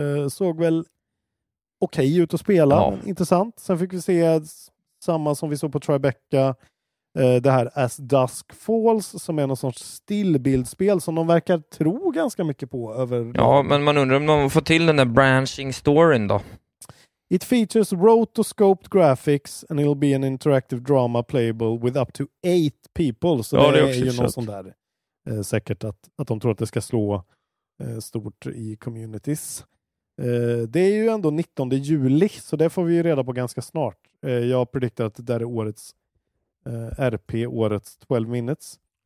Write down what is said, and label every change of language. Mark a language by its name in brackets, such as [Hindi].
[Swedish] Såg väl okej ut att spela. Ja. Intressant. Sen fick vi se samma som vi såg på Tribeca. Det här As Dusk Falls som är någon sorts stillbildspel som de verkar tro ganska mycket på. Över. Ja, men man undrar om de får till den där branching storyn då. [English] It features rotoscoped graphics and it'll be an interactive drama playable with up to 8 people. [Swedish] Så ja, det är också ju någon sån där säkert att de tror att det ska slå stort i communities. Det är ju ändå 19 juli så det får vi ju reda på ganska snart. Jag predikterar att det där är årets RP, årets 12 minutes.